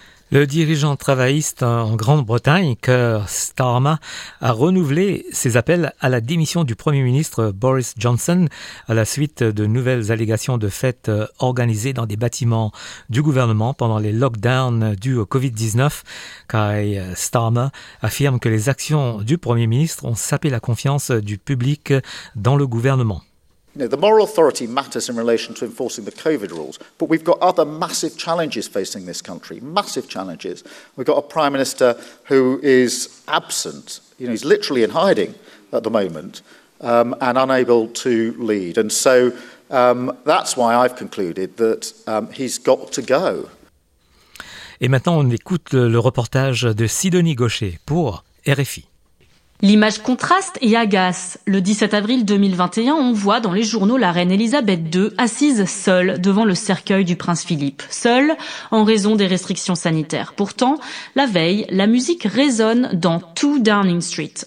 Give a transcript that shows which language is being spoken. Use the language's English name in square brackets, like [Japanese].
[French] Le dirigeant travailliste en Grande-Bretagne, Keir Starmer, a renouvelé ses appels à la démission du Premier ministre Boris Johnson à la suite de nouvelles allégations de fêtes organisées dans des bâtiments du gouvernement pendant les lockdowns dus au Covid-19. Keir Starmer affirme que les actions du Premier ministre ont sapé la confiance du public dans le gouvernement. [English] The moral authority matters in relation to enforcing the COVID rules, but we've got other massive challenges facing this country, massive challenges. We've got a Prime Minister who is absent, you know, he's literally in hiding at the moment, and unable to lead. And so that's why I've concluded that he's got to go. [French] Et maintenant, on écoute le reportage de Sidonie Gaucher pour RFI. L'image contraste et agace. Le 17 avril 2021, on voit dans les journaux la reine Elisabeth II assise seule devant le cercueil du prince Philippe. Seule en raison des restrictions sanitaires. Pourtant, la veille, la musique résonne dans tout Downing Street.